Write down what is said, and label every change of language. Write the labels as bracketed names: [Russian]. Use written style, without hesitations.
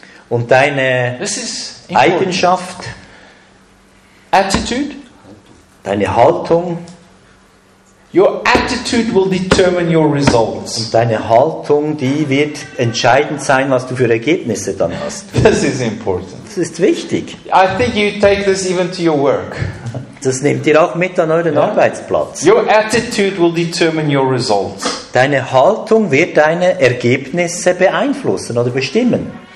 [German] und deine Eigenschaft, [English] attitude, [German] deine Haltung, [English] your attitude will determine your results. [German] Und deine Haltung, die wird entscheidend sein, was du für Ergebnisse dann hast. [English] This is important. [German] Das ist wichtig. [English] I think you take this even to your work. [German] Das nehmt ihr auch mit an euren Arbeitsplatz. [English] Your attitude will determine your results. [German] Deine Haltung wird deine Ergebnisse beeinflussen oder bestimmen.